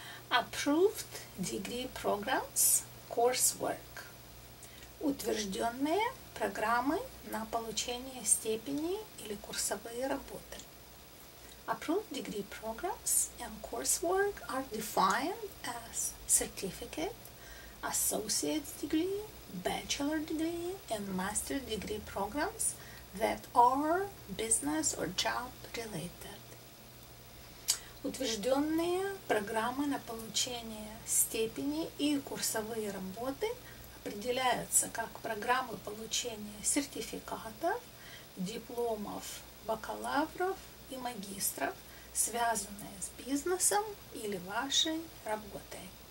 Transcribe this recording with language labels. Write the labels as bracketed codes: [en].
[en] approved degree programs coursework. [ru] Утвержденные программы на получение степени или курсовые работы. [en] Approved degree programs and coursework are defined as certificate, associate degree, bachelor degree, and master degree programs that are business or job related. [ru] Утвержденные программы на получение степени и курсовые работы определяются как программы получения сертификатов, дипломов, бакалавров и магистров, связанные с бизнесом или вашей работой.